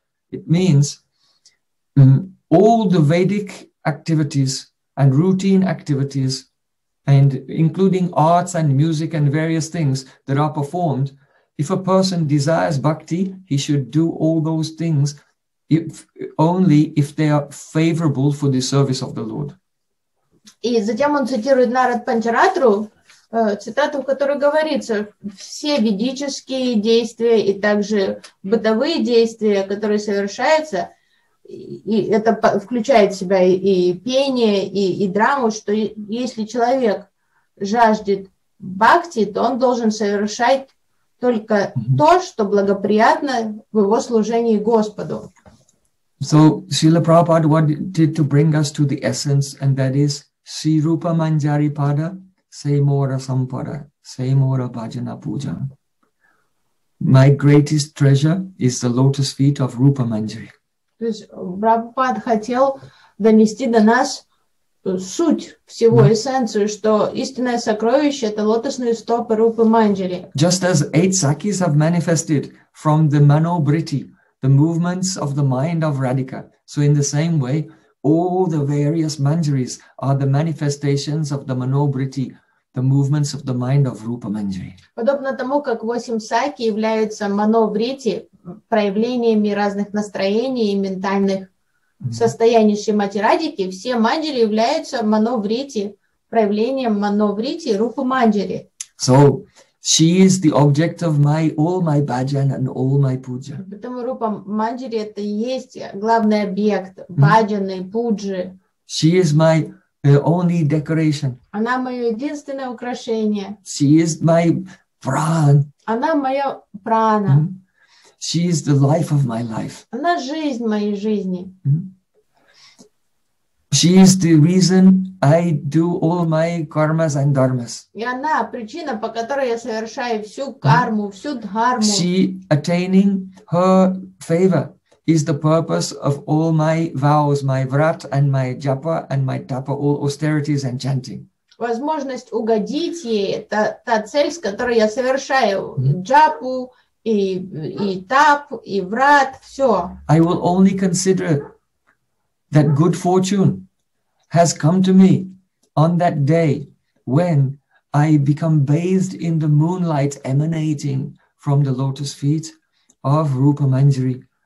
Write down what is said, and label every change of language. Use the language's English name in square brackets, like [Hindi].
[English] It means all the Vedic activities and routine activities, and including arts and music and various things that are performed, if a person desires bhakti, he should do all those things only if they are favorable for the service of the Lord. [Russian] И затем он цитирует Нарад Панчаратру, цитату, в которой говорится, все ведические действия и также бытовые действия, которые совершаются, и это включает в себя и пение, и драму, что если человек жаждет бхакти, то он должен совершать только то, что благоприятно в его служении Господу. [English] So, Srila Prabhupada wanted to bring us to the essence, and that is [Bangla] Si Rupa Manjari Pada, Sei Mora Sampada, Sei Mora Bhajana Puja. [English] My greatest treasure is the lotus feet of Rupa Manjari. [Russian] То есть Прабхупад хотел донести до нас суть всего, эссенцию, что истинное сокровище – это лотосные стопы Рупы Манджари. [English] Just as eight sakis have manifested from the manobriti, the movements of the mind of Radhika, so in the same way, all the various manjaris are the manifestations of the manobriti, the movements of the mind of Rupa Manjari. [Russian] Подобно тому, как восемь саки являются манобрити, проявлениями разных настроений и ментальных состояний Шримати Радики, все манджари являются манобрити, проявлением манобрити Рупы Манджари. [English] So, she is the object of all my bhajan and all my puja. [Russian] Поэтому Рупа Манджари – это и есть главный объект бхаджаны, пуджи. [English] She is my only decoration. [Russian] Она мое единственное украшение. [English] She is my pran. [Russian] Она моя прана. [English] She is the life of my life. [Russian] Она жизнь моей жизни. [English] She is the reason I do all my karmas and dharmas. [Russian] И она причина, по которой я совершаю всю карму, всю дхарму. [English] She attaining her favor is the purpose of all my vows, my vrat and my japa and my tapa, all austerities and chanting. [Russian] Возможность угодить ей – это та цель, с которой я совершаю джапу, и тап, и врат, все. [English] I will only consider that good fortune has come to me on that day when I become bathed in the moonlight emanating from the lotus feet of Rupa Manjari.